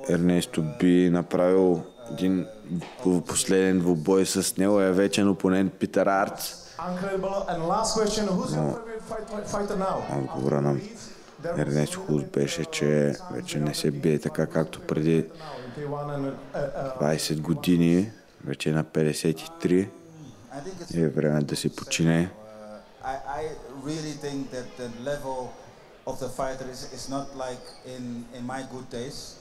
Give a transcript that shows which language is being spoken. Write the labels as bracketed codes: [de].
[bg] Ернесто би направил един последен двубой с него, е вечен опонент Питър Артс. [en] And last question, who's your favorite fighter now? [bg] Отговора на Ернесто Хулс беше, че вече не се бие така както преди 20 години, вече на 53. И е време да се почине. [en] I really think that the level of the fighter is not like in my good days.